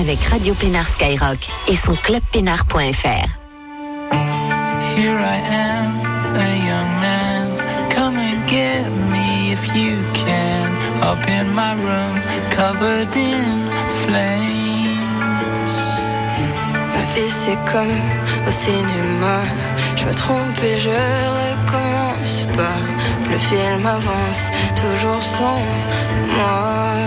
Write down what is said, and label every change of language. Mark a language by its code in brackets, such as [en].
[fr] Avec Radio Pénard Skyrock et son club pénard.fr. [en] Here I am, a young man. Come and get me if you can. Up in my room, covered in flames. [fr] Ma vie c'est comme au cinéma. Je me trompe et je recommence pas. Le film avance toujours sans moi.